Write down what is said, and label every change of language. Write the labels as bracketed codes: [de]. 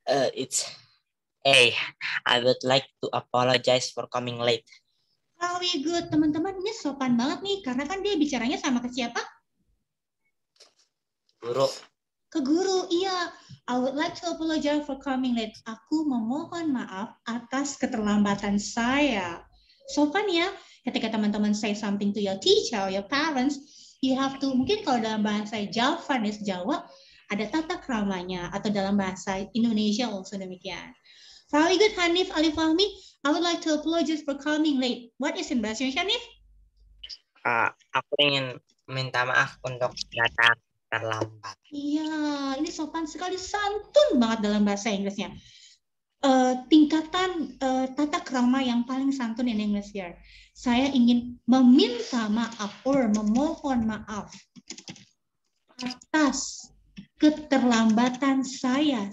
[en] it's A. I would like to apologize for coming late. Very good. [id] Teman-teman, ini sopan banget nih. Karena kan dia bicaranya sama ke siapa? Guru. Ke guru, iya. [en] I would like to apologize for coming late. [id] Aku memohon maaf atas keterlambatan saya. Sopan ya, ketika teman-teman [en] say something to your teacher or your parents, you have to, [id] mungkin kalau dalam bahasa Javanese, Jawa, ada tata kramanya, atau dalam bahasa Indonesia also demikian. [en] Very good, Hanif Ali Fahmi. I would like to apologize for coming late. What is in bahasa Indonesia, Hanif? [id] Aku ingin minta maaf untuk datang terlambat. Iya, ini sopan sekali, santun banget dalam bahasa Inggrisnya. Tingkatan tata krama yang paling santun [en] in English here. [id] Saya ingin meminta maaf or memohon maaf atas keterlambatan saya.